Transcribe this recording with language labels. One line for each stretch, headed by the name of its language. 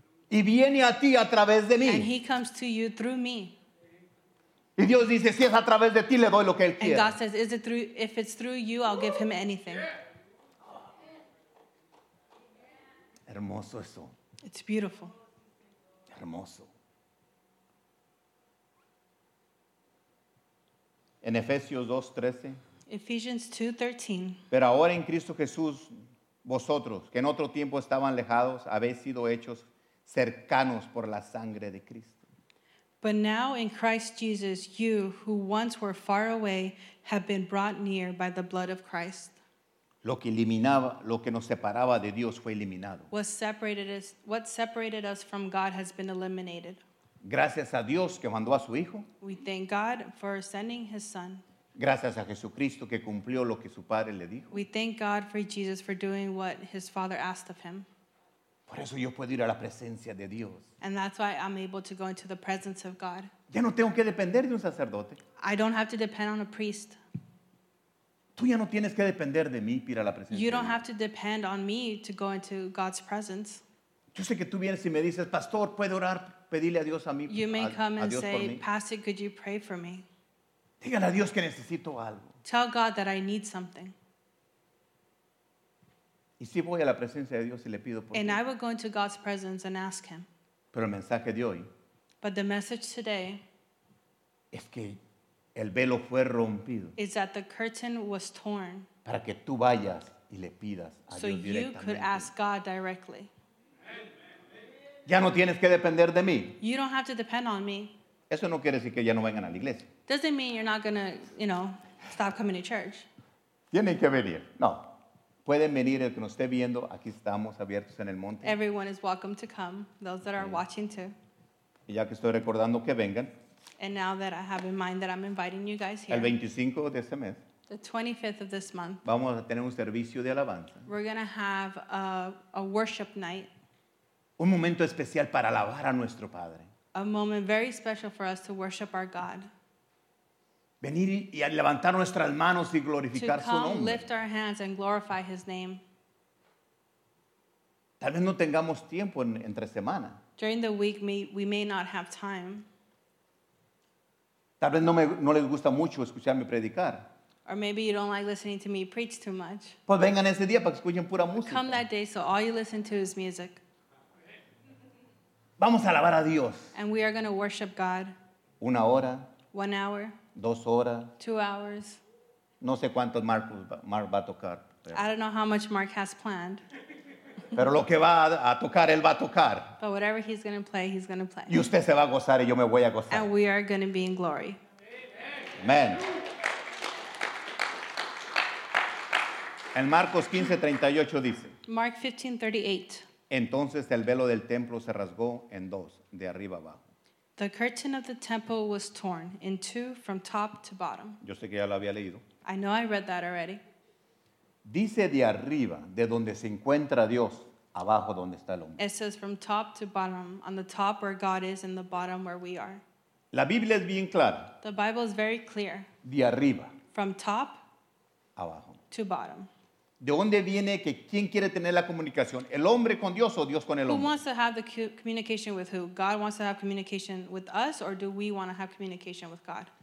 Spanish: Y viene a ti a través de mí.
English: And he comes to you through me.
Spanish: Y Dios dice, si es a través de ti, le doy lo que él quiere.
English: And God says, is it through, if it's through you, I'll give him anything.
Spanish: Hermoso eso.
English: It's beautiful.
Spanish: Hermoso. En Efesios 2:13.
English: Ephesians 2:13.
Spanish: Pero ahora en Cristo Jesús, vosotros, que en otro tiempo estaban lejados, habéis sido hechos cercanos por la sangre de Cristo.
English: But now in Christ Jesus, you who once were far away have been brought near by the blood of Christ.
Spanish: Lo que eliminaba, lo que nos separaba de Dios fue eliminado.
English: What separated us from God has been eliminated.
Spanish: Gracias a Dios que mandó a su hijo.
English: We thank God for sending his son.
Spanish: Gracias a Jesucristo que cumplió lo que su padre le dijo.
English: We thank God for Jesus for doing what his father asked of him.
Spanish: Por eso yo puedo ir a la presencia de Dios.
English: And that's why I'm able to go into the presence of God.
Spanish: Ya no tengo que depender de un sacerdote.
English: I don't have to depend on a priest.
Spanish: Tú ya no tienes que depender de mí para ir a la presencia.
English: You don't have to depend on me to go into God's presence.
Spanish: Yo sé que tú vienes y me dices, Pastor, ¿puedo orar, pedirle a Dios a mí?
English: You may come and say, Pastor, could you pray for me?
Spanish: Dígale a Dios que necesito algo.
English: Tell God that I need something.
Spanish: Y si voy a la presencia de Dios y le pido por
English: And I will go into God's presence and ask him.
Spanish: Pero el mensaje de hoy
English: But the message today
Spanish: es que el velo fue rompido
English: is that the curtain was torn
Spanish: para que tú vayas y le pidas a
English: so
Spanish: Dios
English: you could ask God directly.
Spanish: Ya no tienes que depender de mí.
English: You don't have to depend on me.
Spanish: Eso no quiere decir que ya no vengan a la iglesia.
English: Doesn't mean you're not going to, you know, stop coming to church.
Spanish: Tienen que venir. No. Pueden venir el que nos esté viendo. Aquí estamos abiertos en el monte.
English: Everyone is welcome to come. Those that are watching too.
Spanish: Y ya que estoy recordando que vengan.
English: And now that I have in mind that I'm inviting you guys here.
Spanish: El 25 de este mes.
English: The 25th of this month.
Spanish: Vamos a tener un servicio de alabanza.
English: We're going to have a worship night.
Spanish: Un momento especial para alabar a nuestro Padre.
English: A moment very special for us to worship our God.
Spanish: Venir y levantar nuestras manos y glorificar
English: to come,
Spanish: su nombre.
English: Lift our hands and glorify his name.
Spanish: Tal vez no tengamos tiempo entre semana.
English: During the week, we may not have time.
Spanish: Tal vez no les gusta mucho escucharme predicar.
English: Or maybe you don't like listening to me preach too much.
Spanish: Pues vengan ese día para que escuchen pura música.
English: Come that day so all you listen to is music.
Spanish: Vamos a alabar a Dios.
English: And we are going to worship God.
Spanish: Una hora.
English: 1 hour.
Spanish: 2 horas.
English: 2 hours.
Spanish: No sé cuántos Mark va a tocar. Pero.
English: I don't know how much Mark has planned.
Spanish: Pero lo que va a tocar, él va a tocar.
English: But whatever he's going to play, he's going to play.
Spanish: Y usted se va a gozar y yo me voy a gozar.
English: And we are going to be in glory. Amen.
Spanish: En Marcos 15:38 dice.
English: Mark 15:38.
Spanish: Entonces el velo del templo se rasgó en dos, de arriba abajo.
English: The curtain of the temple was torn in two from top to bottom.
Spanish: Yo sé que ya lo había leído.
English: I know I read that already.
Spanish: Dice de arriba, de donde se encuentra Dios, abajo donde está el hombre.
English: It says from top to bottom, on the top where God is and the bottom where we are.
Spanish: La Biblia es bien clara.
English: The Bible is very clear.
Spanish: De arriba.
English: From top
Spanish: abajo.
English: To bottom.
Spanish: ¿De dónde viene que quién quiere tener la comunicación? ¿El hombre con Dios o Dios con el hombre?
English: Who wants to have the communication with who? God wants to have communication with us or do we want to have communication with God?